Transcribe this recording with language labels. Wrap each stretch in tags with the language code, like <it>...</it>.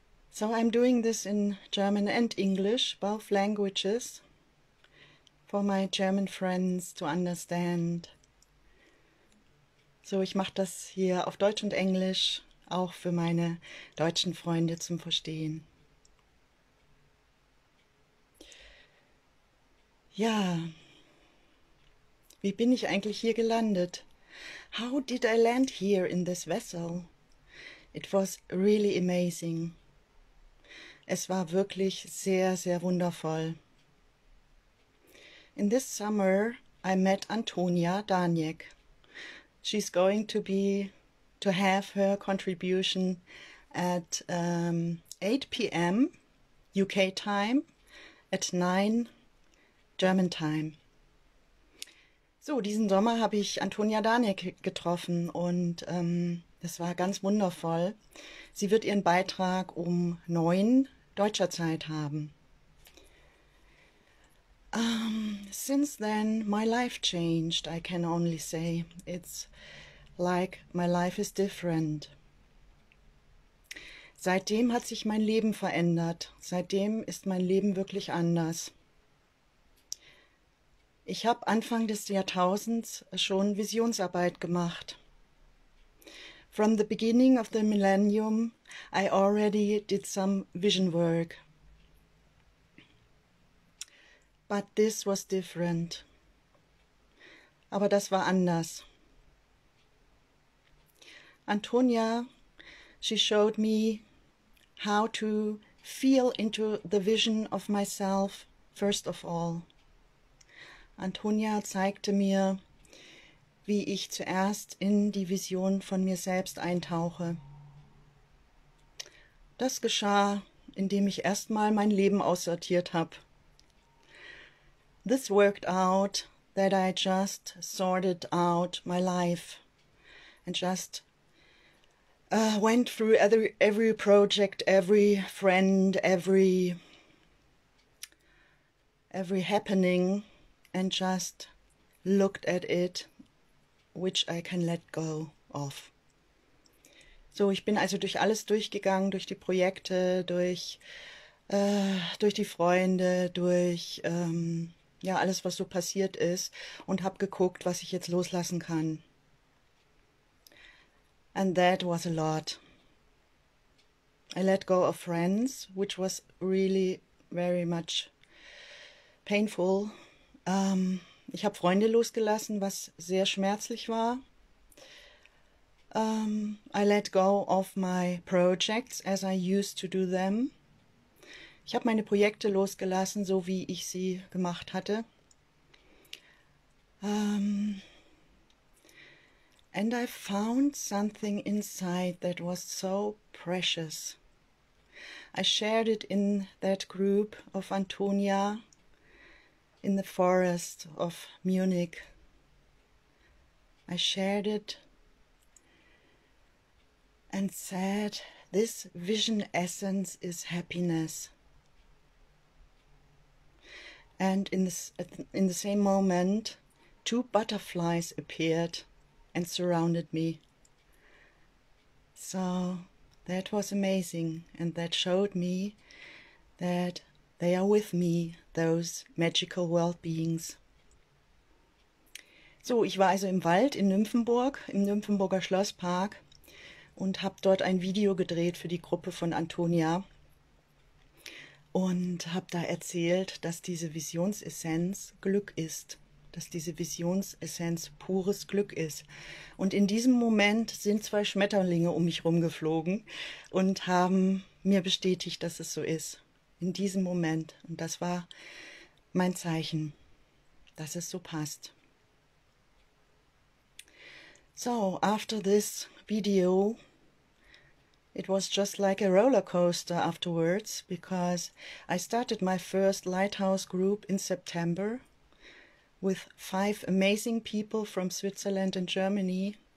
<en>So I'm doing this in German and English, both languages, for my German friends to understand.</en> <de>So ich mache das hier auf Deutsch und Englisch. Auch für meine deutschen Freunde zum Verstehen. Ja, wie bin ich eigentlich hier gelandet?</de> <en>How did I land here in this vessel? It was really amazing.</en> <de>Es war wirklich sehr, sehr wundervoll.</de> <en>In this summer I met Antonia Daniek. She's going to be. To have her contribution at 8 p.m. UK time, at 9 German time.</en> <de>So, diesen Sommer habe ich Antonia Daniek getroffen und das war ganz wundervoll. Sie wird ihren Beitrag um 9 deutscher Zeit haben.</de> <en>Since then, my life changed, I can only say. It's like my life is different.</en> <de>Seitdem hat sich mein Leben verändert. Seitdem ist mein Leben wirklich anders. Ich habe Anfang des Jahrtausends schon Visionsarbeit gemacht.</de> <en>From the beginning of the millennium, I already did some vision work. But this was different.</en> <de>Aber das war anders.</de> <en>Antonia, she showed me how to feel into the vision of myself first of all.</en> <de>Antonia zeigte mir, wie ich zuerst in die Vision von mir selbst eintauche. Das geschah, indem ich erstmal mein Leben aussortiert habe.</de> <en>This worked out that I just sorted out my life and just went through every project, every friend, every happening and just looked at it, which I can let go of.</en> <de>So, ich bin also durch alles durchgegangen, durch die Projekte, durch die Freunde, durch ja, alles, was so passiert ist und habe geguckt, was ich jetzt loslassen kann.</de> <en>And that was a lot. I let go of friends, which was really very much painful.</en> <de>Ich habe Freunde losgelassen, was sehr schmerzlich war.</de> <en>I let go of my projects, as I used to do them.</en> <de>Ich habe meine Projekte losgelassen, so wie ich sie gemacht hatte.</de> <en>And I found something inside that was so precious. I shared it in that group of Antonia in the forest of Munich. I shared it and said, this vision essence is happiness. And in the same moment, two butterflies appeared and surrounded me. So that was amazing, and that showed me that they are with me, those magical world beings.</en> <de>So, ich war also im Wald in Nymphenburg, im Nymphenburger Schlosspark, und habe dort ein Video gedreht für die Gruppe von Antonia und habe da erzählt, dass diese Visionsessenz Glück ist, dass diese Visionsessenz pures Glück ist. Und in diesem Moment sind zwei Schmetterlinge um mich rumgeflogen und haben mir bestätigt, dass es so ist. In diesem Moment. Und das war mein Zeichen, dass es so passt.</de> <en>So, after this video, it was just like a roller coaster afterwards, because I started my first lighthouse group in September with five amazing people from Switzerland and Germany.</en>